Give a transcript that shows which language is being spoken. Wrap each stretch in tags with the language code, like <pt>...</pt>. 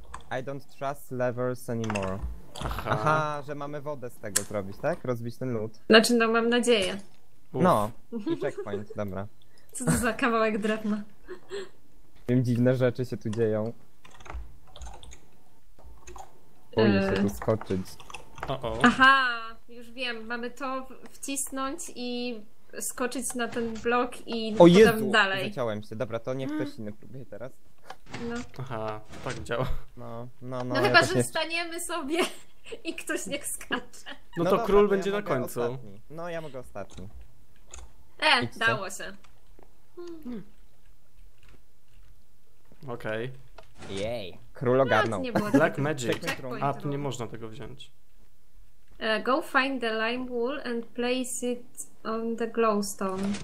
<en>I don't trust levers anymore.</en> <pl>Aha, że mamy wodę z tego zrobić, tak? Rozbić ten lód. Znaczy, no mam nadzieję. Uf. No, i checkpoint, dobra. Co to za kawałek drewna? Wiem, dziwne rzeczy się tu dzieją. Boję się tu skoczyć. Aha, już wiem, mamy to wcisnąć i skoczyć na ten blok i o potem Jezu, dalej. O Jezu, zaciąłem się. Dobra, to niech ktoś inny próbuje teraz. No. Aha, tak działa. No, ja chyba, że nie... staniemy sobie i ktoś niech skacze. No to dobra, król to będzie ja na końcu. Ostatni. No, ja mogę ostatni. Idźcie. Dało się. Okej. Okay. Jej. Król ogarnął. Black Magic. A, tu nie można tego wziąć.</pl> <en>Go find the lime wool and place it on the glowstone.</en>